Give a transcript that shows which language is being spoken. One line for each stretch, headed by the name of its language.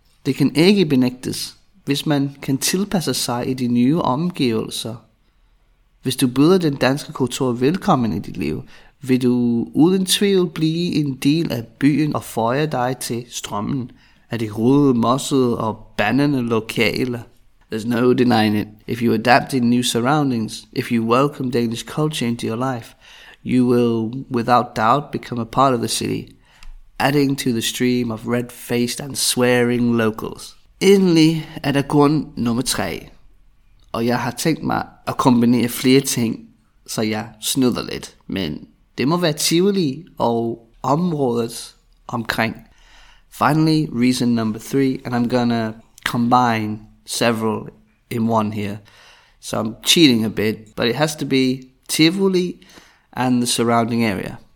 Danish: Det kan ikke benægtes, hvis man kan tilpasse sig I de nye omgivelser. Hvis du byder den danske kultur velkommen I dit liv, vil du uden tvivl blive en del af byen og føje dig til strømmen af de rode, mossede og bandende lokale.
English: There's no denying it. If you adapt in new surroundings, if you welcome Danish culture into your life, you will without doubt become a part of the city, adding to the stream of red-faced and swearing locals.
Danish: Endelig der grund nummer tre. Og jeg har tænkt mig at kombinere flere ting, så jeg snyder lidt. Men det må være Tivoli og området omkring.
English: Finally, reason number three, and I'm gonna combine several in one here. So I'm cheating a bit, but it has to be Tivoli and the surrounding area.